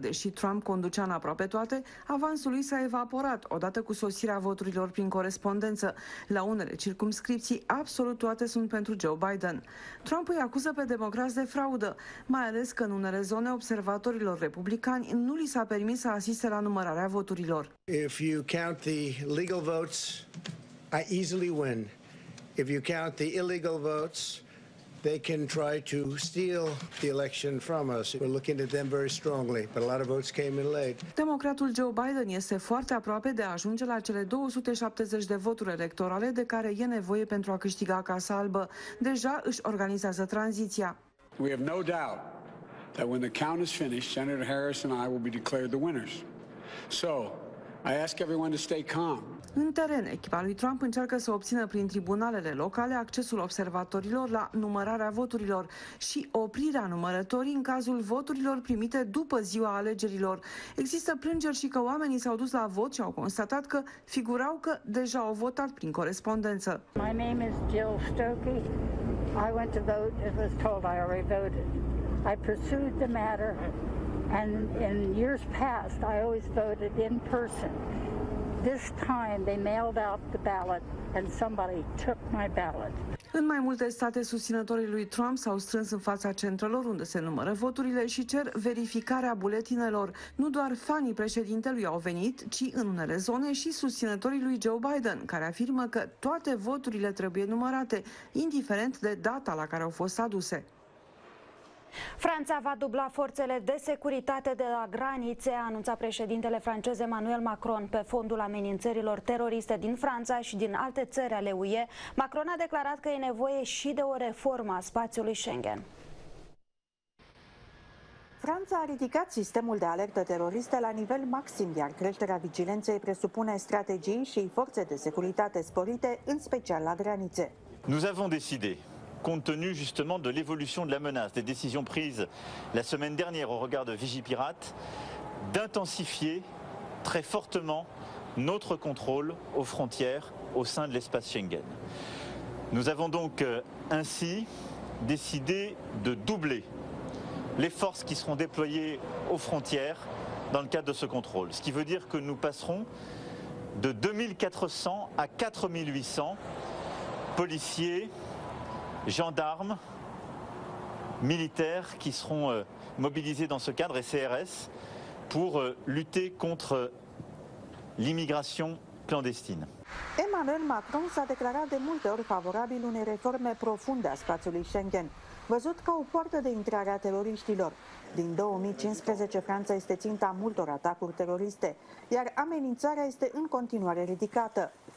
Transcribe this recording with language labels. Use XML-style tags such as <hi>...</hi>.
<ro>Deși Trump conducea în aproape toate, avansul lui s-a evaporat odată cu sosirea voturilor prin corespondență. La unele circumscripții, absolut toate sunt pentru Joe Biden. Trump îi acuză pe democrați de fraudă, mai ales că în unele zone observatorilor republicani nu li s-a permis să asiste la numărarea voturilor.</ro> <en>If you count the legal votes, I easily win. If you count the illegal votes, they can try to steal the election from us. We're looking at them very strongly, but a lot of votes came in late.</en> <ro>Democratul Joe Biden este foarte aproape de a ajunge la cele 270 de voturi electorale de care e nevoie pentru a câștiga Casa Albă. Deja își organizează tranziția.</ro> <en>We have no doubt that when the count is finished, Senator Harris and I will be declared the winners. So, I ask everyone to stay calm.</en> <ro>În teren, echipa lui Trump încearcă să obțină prin tribunalele locale accesul observatorilor la numărarea voturilor și oprirea numărătorii în cazul voturilor primite după ziua alegerilor. Există plângeri și că oamenii s-au dus la vot și au constatat că figurau că deja au votat prin corespondență. My name is Jill Stokey. I went to vote. It was told I already voted. I pursued the matter. And in years past, I always voted in person. This time, they mailed out the ballot and somebody took my ballot. În mai multe state, susținătorii lui Trump s-au strâns în fața centrelor unde se numără voturile și cer verificarea buletinelor. Nu doar fanii președintelui au venit, ci în unele zone și susținătorii lui Joe Biden, care afirmă că toate voturile trebuie numărate, indiferent de data la care au fost aduse. Franța va dubla forțele de securitate de la granițe, a anunțat președintele francez Emmanuel Macron pe fondul amenințărilor teroriste din Franța și din alte țări ale UE. Macron a declarat că e nevoie și de o reformă a spațiului Schengen. Franța a ridicat sistemul de alertă teroristă la nivel maxim, iar creșterea vigilenței presupune strategii și forțe de securitate sporite, în special la granițe.</ro> <fr>Nous avons décidé. Compte tenu justement de l'évolution de la menace, des décisions prises la semaine dernière au regard de Vigipirate, d'intensifier très fortement notre contrôle aux frontières au sein de l'espace Schengen. Nous avons donc ainsi décidé de doubler les forces qui seront déployées aux frontières dans le cadre de ce contrôle, ce qui veut dire que nous passerons de 2400 à 4800 policiers gendarmes, militaires qui seront mobilisés dans ce cadre et CRS pour lutter contre l'immigration clandestine.</fr> <ro>Emmanuel Macron s'a déclaré de multe ori favorabil unei reforme profunde a spațiului Schengen, văzut ca o poartă de intrare a teroriștilor. Din 2015, Franța este ținta multor atacuri teroriste, iar amenințarea este în continuare ridicată.</ro>